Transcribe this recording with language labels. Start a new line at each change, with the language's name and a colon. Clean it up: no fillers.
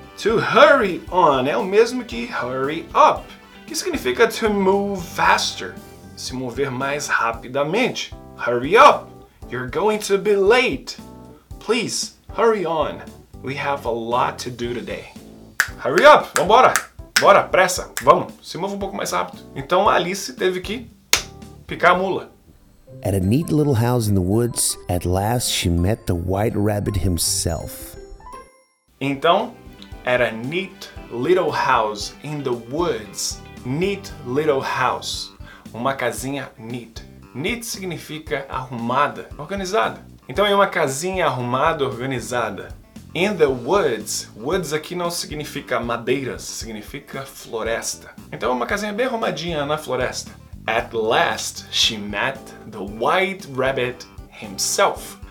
English: To hurry on
Portuguese: é o mesmo que hurry up, que significa
English: to move faster,
Portuguese: se mover mais rapidamente.
English: Hurry up, you're going to be late. Please, hurry on. We have a lot to do today. Hurry up,
Portuguese: vambora! Bora, pressa, vamos, se move um pouco mais rápido. Então Alice teve que picar a mula.
English: At a neat little house in the woods, at last she met the white rabbit himself. Então, at a neat little house in the woods, neat little house,
Portuguese: uma casinha
English: neat.
Portuguese: Neat significa arrumada, organizada. Então é uma casinha arrumada, organizada.
English: In the woods,
Portuguese: woods aqui não significa madeiras, significa floresta. Então é uma casinha bem arrumadinha na floresta.
English: At last, she met the white rabbit himself.